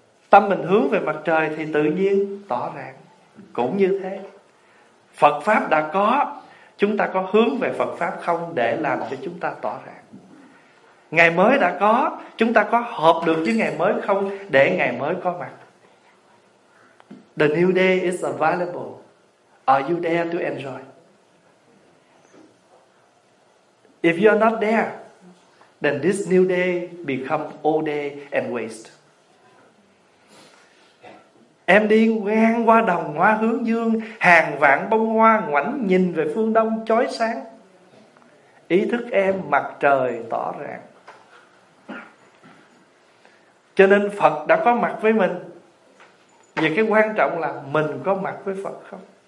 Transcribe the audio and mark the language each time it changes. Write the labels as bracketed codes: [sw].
[vi] Tâm mình hướng về mặt trời thì tự nhiên tỏ ràng. Cũng như thế, Phật Pháp đã có, chúng ta có hướng về Phật Pháp không để làm cho chúng ta tỏ ràng? Ngày mới đã có, chúng ta có hợp được với ngày mới không để ngày mới có mặt? [en] The new day is available. Are you there to enjoy? If you're not there, then this new day become old day and waste. [vi] Em đi ngang qua đồng hoa hướng dương, hàng vạn bông hoa ngoảnh nhìn về phương đông chói sáng. Ý thức em mặt trời tỏ rạng. Cho nên Phật đã có mặt với mình. Vậy cái quan trọng là mình có mặt với Phật không?